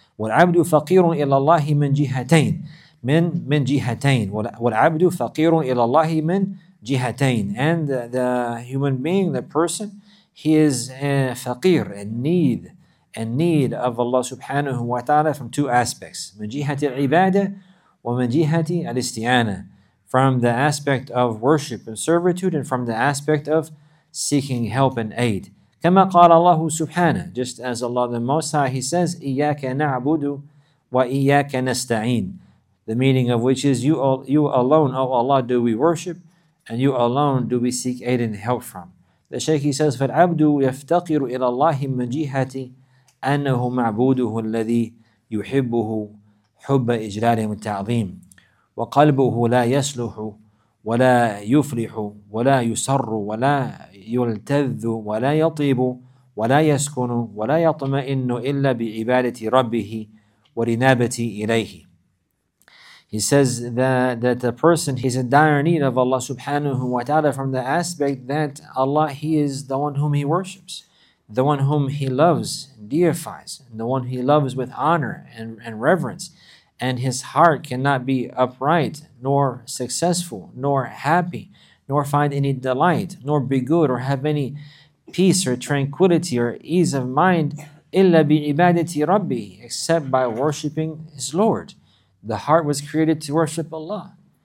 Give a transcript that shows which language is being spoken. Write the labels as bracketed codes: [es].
[ar] وَالْعَبْدُ فَقِيرٌ إِلَى اللَّهِ مِنْ جِهَتَيْنِ مِنْ جِهَتَيْنِ وَالْعَبْدُ فَقِيرٌ إِلَى اللَّهِ مِنْ جِهَتَيْنِ. [en] And the human being, the person, he is faqir, in need of Allah subhanahu wa ta'ala from two aspects. [ar] من جهة العبادة ومن جهة الاستعانة. [en] From the aspect of worship and servitude and from the aspect of seeking help and aid. [ar] كما قال الله سبحانه. [en] Just as Allah the Most High, He says, [ar] إياك نعبد وإياك نستعين. [en] The meaning of which is, you alone, O Allah, do we worship, and you alone do we seek aid and help from. The Shaykh, he says, [ar] فَالْعَبْدُ يَفْتَقِرُ إِلَى اللَّهِ مِنْ جِهَةِ أنه معبوده الذي يحبه حب إجلال وتعظيم وقلبه لا يسلح ولا يفلح ولا يسر ولا يلتذ ولا يطيب ولا يسكن ولا يطمئن إلا بعبادة ربه ورنابة إليه. [en] He says that a person, he's in dire need of Allah subhanahu wa ta'ala from the aspect that Allah, He is the one whom he worships, the one whom he loves, deifies, and the one he loves with honor and reverence. And his heart cannot be upright, nor successful, nor happy, nor find any delight, nor be good, or have any peace or tranquility or ease of mind, [ar] إِلَّا بِعِبَادَةِ رَبِّي, [en] except by worshipping his Lord. The heart was created to worship Allah.